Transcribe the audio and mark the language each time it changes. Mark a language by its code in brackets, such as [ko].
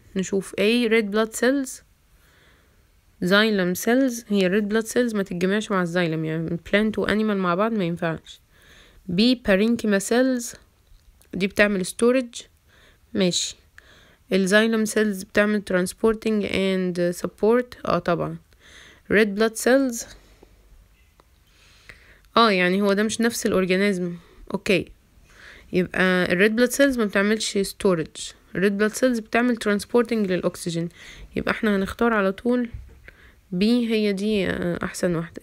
[ar] نشوف A [en] red blood cells، [ar] xylem cells، هي red blood cells ما تتجمعش مع الزايلم، يعني plant و animal مع بعض ما ينفعش. B parenchyma cells، دي بتعمل storage، ماشي. [en] الزايلم cells بتعمل transporting and support، [ar] اه طبعا. red blood cells، اه يعني هو ده مش نفس الorganism، اوكي. يبقى red blood cells ما بتعملش storage، red blood cells بتعمل transporting للأكسجين، يبقى احنا هنختار على طول B هي دي احسن واحدة.